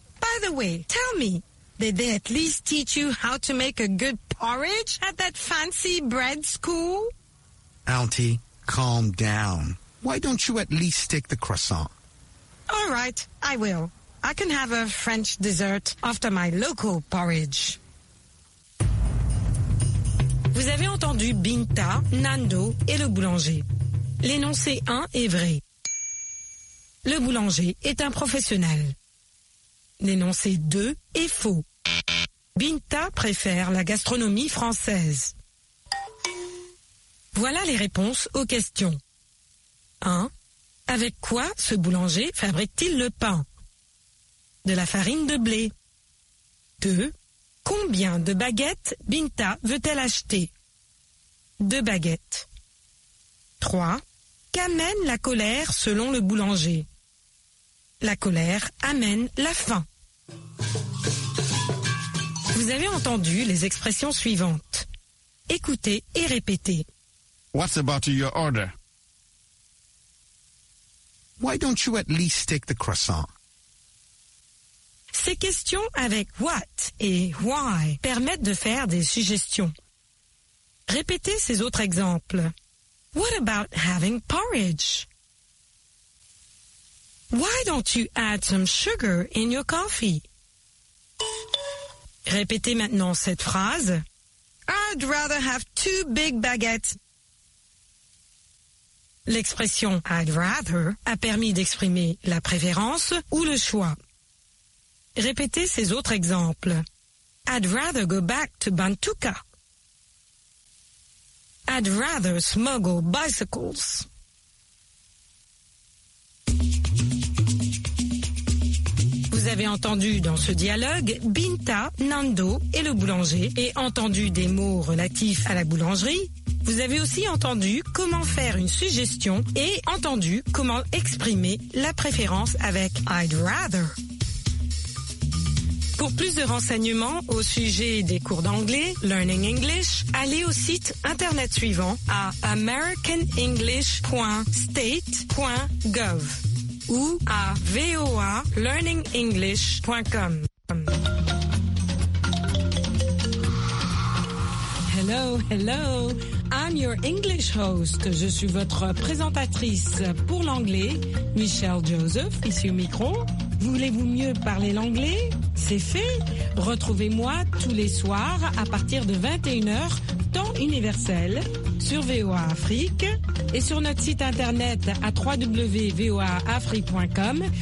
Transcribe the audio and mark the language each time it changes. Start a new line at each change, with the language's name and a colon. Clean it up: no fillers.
English: By the way, tell me, did they at least teach you how to make a good porridge at that fancy bread school? Auntie, calm down. Why don't you at least stick the croissant? All right, I will. I can have a French dessert after my local porridge.
French: Vous avez entendu Binta, Nando et le boulanger. L'énoncé 1 est vrai. Le boulanger est un professionnel. L'énoncé 2 est faux. Binta préfère la gastronomie française. Voilà les réponses aux questions. 1. Avec quoi ce boulanger fabrique-t-il le pain? De la farine de blé. 2. Combien de baguettes Binta veut-elle acheter? 2 baguettes. 3. Qu'amène la colère selon le boulanger? La colère amène la faim. Vous avez entendu les expressions suivantes. Écoutez et répétez.
English: What's about your order? Why don't you at least take the croissant?
French: Ces questions avec what et why permettent de faire des suggestions. Répétez ces autres exemples.
English: What about having porridge? Why don't you add some sugar in your coffee?
French: Répétez maintenant cette phrase.
English: I'd rather have two big baguettes.
French: L'expression
English: I'd rather
French: a permis d'exprimer la préférence ou le choix. Répétez ces autres exemples.
English: I'd rather go back to Bantuka. I'd rather smuggle bicycles.
French: Vous avez entendu dans ce dialogue Binta, Nando et le boulanger et entendu des mots relatifs à la boulangerie. Vous avez aussi entendu comment faire une suggestion et entendu comment exprimer la préférence avec
English: I'd rather.
French: Pour plus de renseignements au sujet des cours d'anglais, Learning English, allez au site internet suivant à americanenglish.state.gov ou à voalearningenglish.com.
English: Hello, hello, I'm your English host.
French: Je suis votre présentatrice pour l'anglais, Michelle Joseph, ici au micro. Voulez-vous mieux parler l'anglais? C'est fait. Retrouvez-moi tous les soirs à partir de 21h, temps universel, sur VOA Afrique et sur notre site internet à www.voaafrique.com.